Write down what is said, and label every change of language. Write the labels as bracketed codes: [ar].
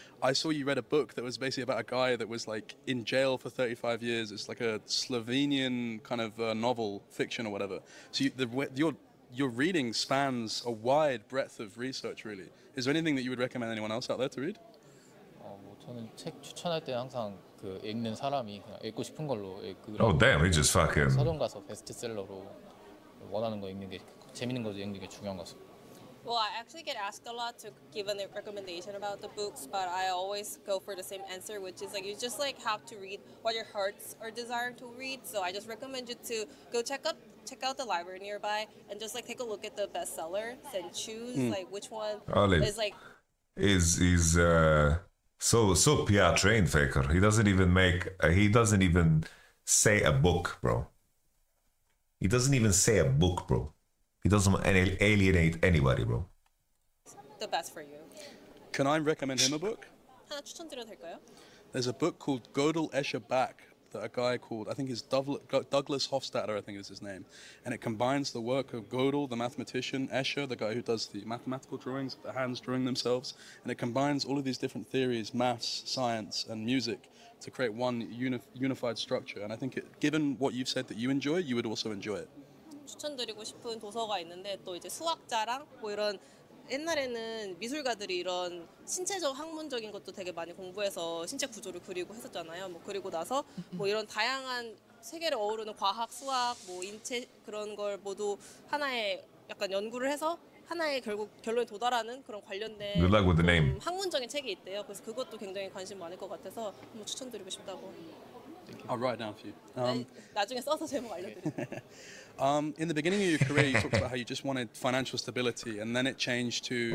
[en] I saw you read a book that was basically about a guy that was like in jail for 35 years. It's like a Slovenian kind of novel, fiction or whatever. So your reading spans a wide breadth of research, really. Is there anything that you would recommend anyone else out there to read? [ko] 뭐 저는 책 추천할 때 항상 그 읽는 사람이 그냥 읽고 싶은 걸로 읽으라고. [en] Oh damn, he just fucking. [ko] 서점 가서 베스트셀러로 원하는 거 읽는 게 재밌는 거죠. 읽는 게 중요한 거죠. [en] Well, I actually get asked a lot to give a recommendation about the books, but I always go for the same answer, which is like you just like have to read what your hearts are desiring to read. So I just recommend you to go check out the library nearby and just like take a look at the bestsellers and choose like which one Olive is like is so PR trained Faker. He doesn't even make he doesn't even say a book, bro. He doesn't alienate anybody, bro. The best for you. Can I recommend him a book? [ko] 하나 추천드려도 될까요? [en] There's a book called Gödel Escher Back that a guy called, I think he's Douglas Hofstadter, I think is his name. And it combines the work of Gödel, the mathematician, Escher, the guy who does the mathematical drawings, the hands drawing themselves. And it combines all of these different theories, maths, science, and music, to create one unified structure. And I think, given what you've said that you enjoy, you would also enjoy it. [ko] 추천드리고 싶은 도서가 있는데 또 이제 수학자랑 뭐 이런 옛날에는 미술가들이 이런 신체적 학문적인 것도 되게 많이 공부해서 신체 구조를 그리고 했었잖아요. 뭐 그리고 나서 뭐 이런 다양한 세계를 어우르는 과학, 수학, 뭐 인체 그런 걸 모두 하나의 약간 연구를 해서 하나의 결국 결론에 도달하는 그런 관련된 [en] Good luck with the name. [ko] 학문적인 책이 있대요. 그래서 그것도 굉장히 관심 많을 것 같아서 한번 추천드리고 싶다고. [en] I'll write it down for you. [ko] 나중에 써서 제목 알려드릴게요. [en] In the beginning of your career, you talked about how you just wanted financial stability, and then it changed to...